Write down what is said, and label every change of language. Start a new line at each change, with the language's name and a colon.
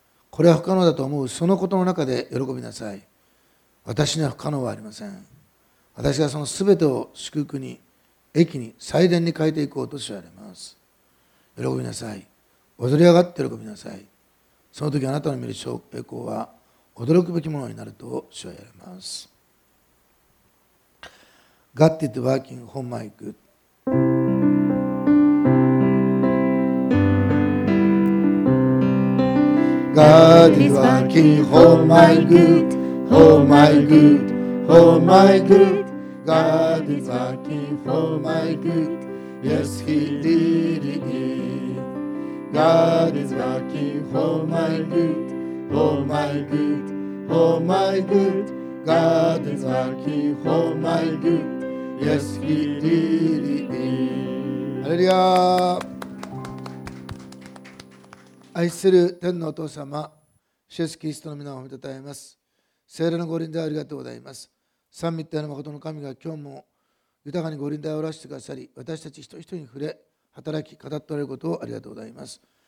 Japanese: これは不可能だと思うそのことの中で喜びなさい。私には不可能はありません。私がそのすべてを祝福に、益に、祭殿に変えていこうと知られます。喜びなさい、踊り上がって喜びなさい。その時あなたの見る栄光は驚くべきものになると主は言われます。
English: God is working for my good。 God is working for my good, for my good, for my good. God is working for my good, yes He did it. God is working for my good, for my good, for my good. God is working for my good, yes He did it. Hallelujah.
Japanese: 愛する天のお父様、主イエスキリストの皆を褒めたたえます。聖霊の御臨在ありがとうございます。三位一体の誠の神が今日も豊かに御臨在をおらせてくださり、私たち一人一人に触れ働き語っておられることをありがとうございます。